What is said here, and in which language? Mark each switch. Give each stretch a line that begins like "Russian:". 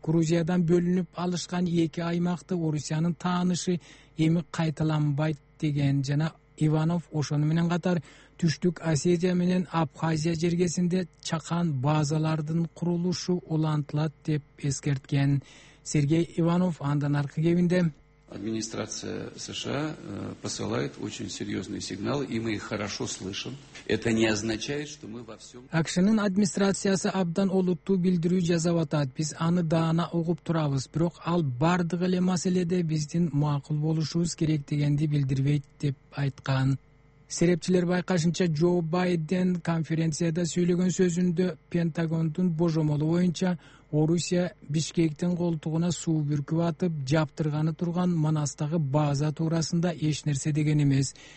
Kyrgyz: Грузиядан бөлүнүп алышкан эки аймакты Орусиянын таанышы эми кайталанбайт деген жана Иванов ошону менен катар Түштүк Осетия менен Абхазия жергесинде чакан базалардын курулушу улантылат деп эскерткен. Сергей Иванов андан аркы кебинде:
Russian: администрация США посылает очень серьезные сигналы, и мы их хорошо слышим. Это не означает, что мы во всем...
Kyrgyz: АКШ-нын администрациясы абдан олуттуу билдирүү жасап атат. Биз аны даана угуп турабыз, бирок ал бардык эле маселеде биздин макул болушубуз керек дегенди билдирбейт деп айткан. Серепчилер байкашынча, Джо Байден конференцияда сүйлөгөн сөзүндө Пентагондун божомолу боюнча Орусия Бишкектин колтугуна суу бүркүп атып жаптырганы турган Манастагы база туурасында эч нерсе деген эмес.